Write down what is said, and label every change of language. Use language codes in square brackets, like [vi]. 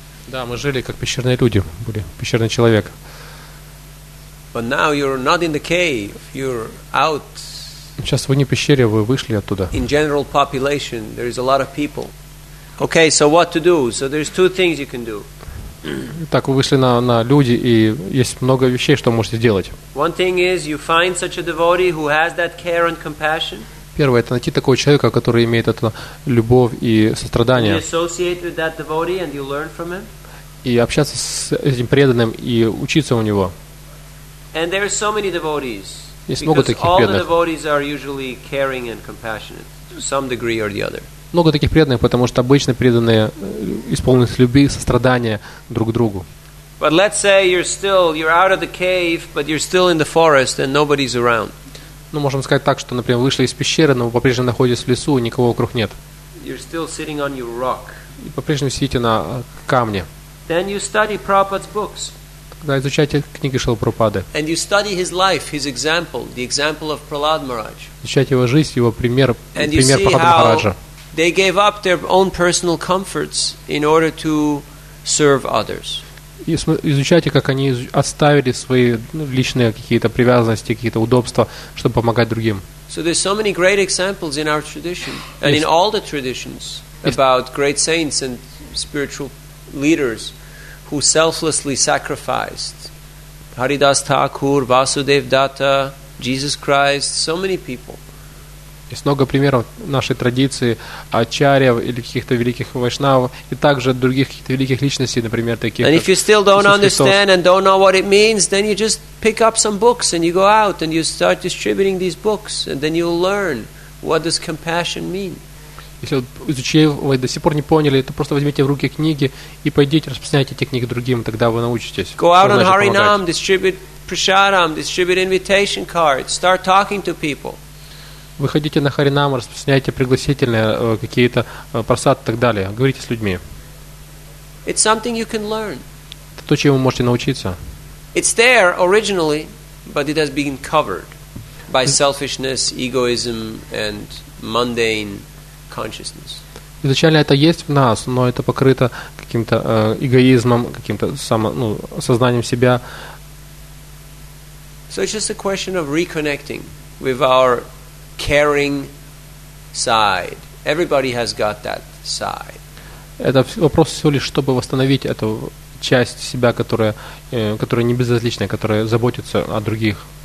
[ru] Да, мы жили как пещерные люди, были пещерный человек. [en] But now you're not in the cave, you're out. [ru] Сейчас вы не в пещере, вы вышли оттуда. [en] In general population, there is a lot of people. Okay, so what to do? So there's two things you can do. [ru] Так вы вышли на люди и есть много вещей, что можете сделать. [en] One thing is you find such a devotee who has that care and compassion. [ru] Первое, это найти такого человека, который имеет эту любовь и сострадание. И общаться с этим преданным и учиться у него. [en] And there are so many devotees, [ru] есть много таких преданных. [en] All the devotees are usually caring and compassionate, to some degree or the other. [ru] Много таких преданных, потому что обычно преданные исполнены любви, сострадания друг к другу. [en] But let's say you're out of the cave, but you're still in the forest and nobody's around. [ru] Ну, можем сказать так, что, например, вышли из пещеры, но вы по-прежнему находитесь в лесу, и никого вокруг нет. [en] You're still sitting on your rock. [ru] И по-прежнему сидите на камне. [en] Then you study Prabhupada's books. [ru] Тогда изучайте книги Шрилы Прабхупады. [en] And you study his life, his example, the example of Prahlad Maharaj. [ru] Изучайте его жизнь, его пример, [en] and [ru] пример Прахлада Махараджа. [en] They gave up their own personal comforts in order to serve others. [ru] Изучайте, как они оставили свои личные какие-то привязанности, какие-то удобства, чтобы помогать другим. [en] So there's so many great examples in our tradition and in all the traditions about great saints and spiritual leaders who selflessly sacrificed. Haridas Thakur, Vasudev Datta, Jesus Christ, so many people. [ru] Есть много примеров нашей традиции ачарьев или каких-то великих вайшнавов и также других каких-то великих личностей, например, таких. [en] And if you still don't understand and don't know what it means, then you just pick up some books and you go out and you start distributing these books and then you'll learn what does compassion mean. [ru] Если вы до сих пор не поняли, то просто возьмите в руки книги и пойдите распространяйте эти книги другим, тогда вы научитесь. [en] Go out on Harinam, distribute prasadam, distribute invitation cards, start talking to people. [ru] Выходите на харинам, распространяйте пригласительные, какие-то просад и так далее. Говорите с людьми. [en] It's something you can learn. [ru] Это то, чему вы можете научиться. [en] It's there originally, but it has been covered by selfishness, egoism and mundane consciousness. [ru] Изначально это есть в нас, но это покрыто каким-то эгоизмом, каким-то сознанием себя. [en] So it's just a question of reconnecting with our caring side. Everybody has got that side. [ru] Это вопрос всего лишь, чтобы восстановить эту часть себя, которая не безразличная, которая заботится о других.